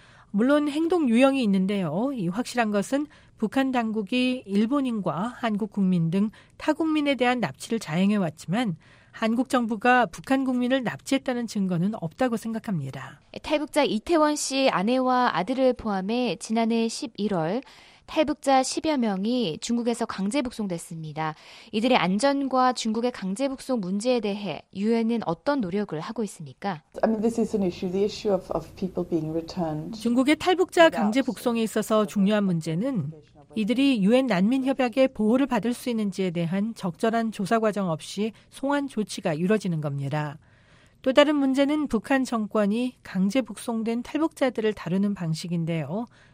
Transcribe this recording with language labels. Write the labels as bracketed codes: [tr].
[ko] 물론 행동 유형이 있는데요. 이 확실한 것은 북한 당국이 일본인과 한국 국민 등 타국민에 대한 납치를 자행해왔지만 한국 정부가 북한 국민을 납치했다는 증거는 없다고 생각합니다. 탈북자 이태원 씨 아내와 아들을 포함해 지난해 11월 탈북자 10여 명이 중국에서 강제북송됐습니다. 이들의 안전과 중국의 강제북송 문제에 대해 유엔은 어떤 노력을 하고 있습니까? [en] I mean, this is an issue, the issue of people being returned. [ko] 중국의 탈북자 강제북송에 있어서 중요한 문제는 이들이 유엔 난민협약의 보호를 받을 수 있는지에 대한 적절한 조사 과정 없이 송환 조치가 이루어지는 겁니다. 또 다른 문제는 북한 정권이 강제북송된 탈북자들을 다루는 방식인데요.